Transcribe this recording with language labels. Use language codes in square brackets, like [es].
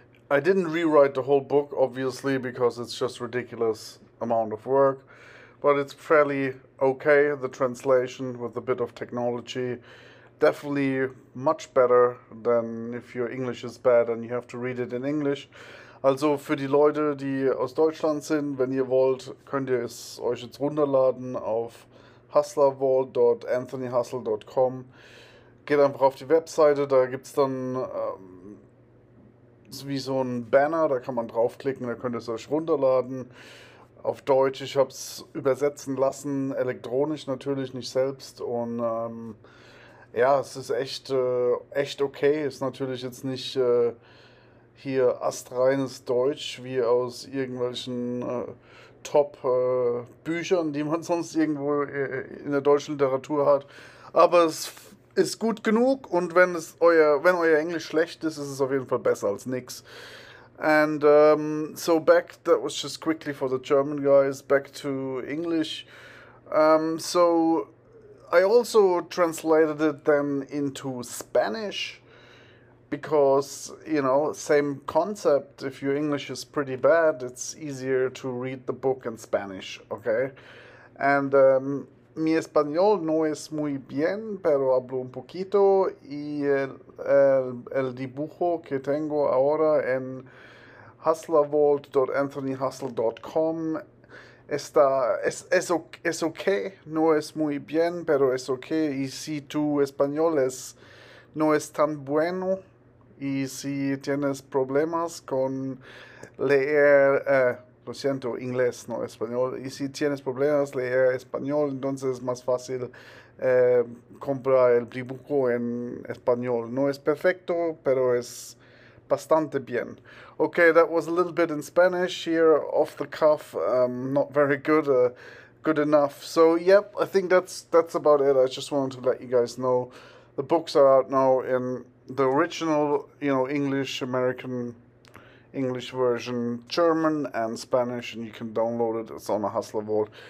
[en] I didn't rewrite the whole book, obviously, because it's just a ridiculous amount of work, but it's fairly okay, the translation with a bit of technology. Definitely much better than if your English is bad and you have to read it in English. [de] Also für die Leute, die aus Deutschland sind, wenn ihr wollt, könnt ihr es euch jetzt runterladen auf hustlervault.anthonyhustle.com. Geht einfach auf die Webseite, da gibt es dann wie so ein Banner, da kann man draufklicken, da könnt ihr es euch runterladen. Auf Deutsch, ich habe es übersetzen lassen, elektronisch natürlich, nicht selbst. Und ja, es ist echt, echt okay. Ist natürlich jetzt nicht hier astreines Deutsch wie aus irgendwelchen Top-Büchern, die man sonst irgendwo in der deutschen Literatur hat. Aber es ist gut genug und wenn euer Englisch schlecht ist, ist es auf jeden Fall besser als nix. [en] And so back, that was just quickly for the German guys, back to English. So I also translated it then into Spanish because, you know, same concept. If your English is pretty bad, it's easier to read the book in Spanish, okay? And [es] mi español no es muy bien, pero hablo un poquito y el dibujo que tengo ahora en hustlervault.anthonyhustle.com es okay, no es muy bien, pero es okay. Y si tu español no es tan bueno, y si tienes problemas con leer, lo siento, inglés, no español, y si tienes problemas leer español, entonces es más fácil comprar el dibujo en español. No es perfecto, pero es bastante bien. [en] Okay, that was a little bit in Spanish here, off the cuff, not very good, good enough. So, yep, I think that's about it. I just wanted to let you guys know. The books are out now in the original, you know, English, American English version, German and Spanish, and you can download it. It's on a Hustler Vault.